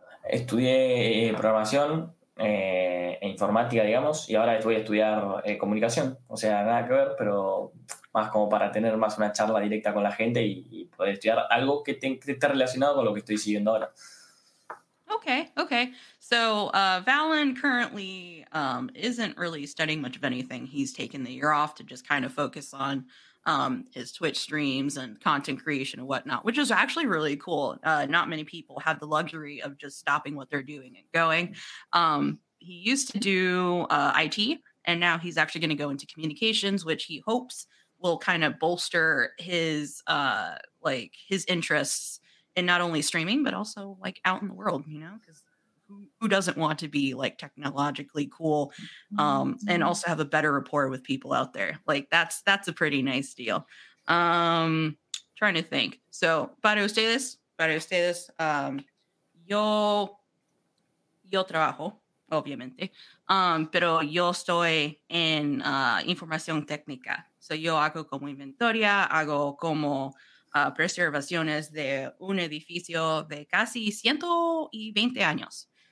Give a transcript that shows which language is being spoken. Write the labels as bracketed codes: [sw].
[es] Estudié programación e informática, digamos, y ahora voy a estudiar comunicación. O sea, nada que ver, pero más como para tener más una charla directa con la gente y poder estudiar algo que esté relacionado con lo que estoy siguiendo ahora. [en] Okay, okay. So Valen currently isn't really studying much of anything. He's taken the year off to just kind of focus on his Twitch streams and content creation and whatnot, which is actually really cool. Not many people have the luxury of just stopping what they're doing and going. He used to do IT, and now he's actually going to go into communications, which he hopes will kind of bolster his interests in not only streaming, but also like out in the world, you know, because who doesn't want to be like technologically cool and also have a better rapport with people out there? Like that's a pretty nice deal. Trying to think. So [es] para ustedes, yo trabajo, obviamente, pero yo estoy en información técnica. [en] So [es] yo hago como inventoria, hago como preservaciones de un edificio de casi 120 años.